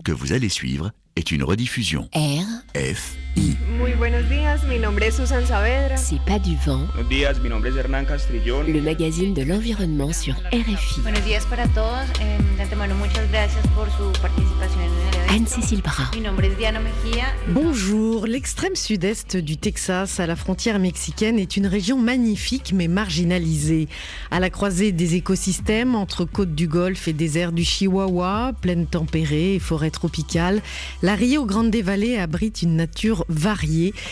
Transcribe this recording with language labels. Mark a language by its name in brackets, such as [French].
[French] que vous allez suivre est une rediffusion. RFI. [Spanish] Muy buenos días, mi nombre es Susan Saavedra. [French] C'est pas du vent. [Spanish] Buenos días, mi nombre es Hernán Castrillón. [French] Le magazine de l'environnement sur RFI. [Spanish] Buenos días para todos. De antemano, muchas gracias por su participación en el evento. [French] Anne-Cécile Bra. [Spanish] Mi nombre es Diana Mejía. [French] Bonjour. L'extrême sud-est du Texas, à la frontière mexicaine, est une région magnifique mais marginalisée. À la croisée des écosystèmes entre côtes du Golfe et déserts du Chihuahua, plaines tempérées et forêts tropicales, la Rio Grande Valley abrite une nature variée.